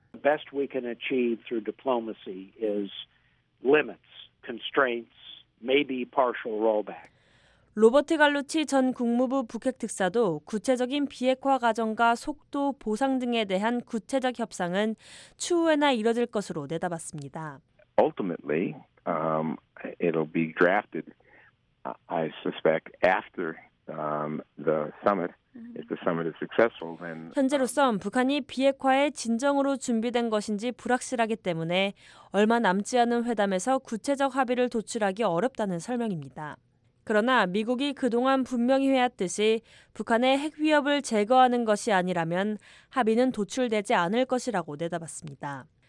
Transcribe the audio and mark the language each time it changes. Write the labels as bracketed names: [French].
[English] The best we can achieve through diplomacy is limits, constraints, maybe partial rollback. [Korean] 로버트 갈루치 전 국무부 북핵특사도 구체적인 비핵화 과정과 속도, 보상 등에 대한 구체적 협상은 추후에나 이뤄질 것으로 내다봤습니다. [English] Ultimately, it'll be drafted, I suspect, after the summit. If the summit is successful, then [Korean] 현재로선 북한이 비핵화에 진정으로 준비된 것인지 불확실하기 때문에 얼마 남지 않은 회담에서 구체적 합의를 도출하기 어렵다는 설명입니다. 그러나 미국이 그동안 분명히 해왔듯이 북한의 핵 위협을 제거하는 것이 아니라면 합의는 도출되지 않을 것이라고 내다봤습니다.